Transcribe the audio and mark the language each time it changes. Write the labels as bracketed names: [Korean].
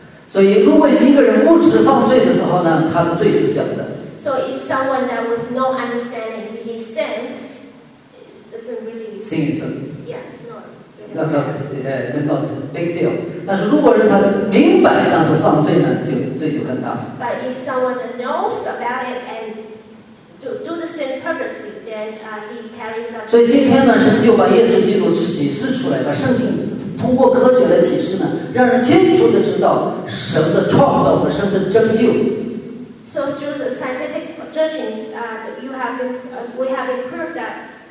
[Chinese] 所以，如果一个人无知犯罪的时候呢，他的罪是小的。 [English] So if someone that was no understanding to his sin. Really, sin is a, yeah, not a big deal. [Chinese] 但是如果人他明白当时犯罪呢，就罪就更大。 [English] But if someone knows about it and do the sin purposely, then he carries out. [Chinese] 所以今天呢，神就把耶稣基督启示出来，把圣经通过科学来启示呢，让人清楚的知道神的创造和神的拯救。 [English] So through the scientific searchings, we have been proved that.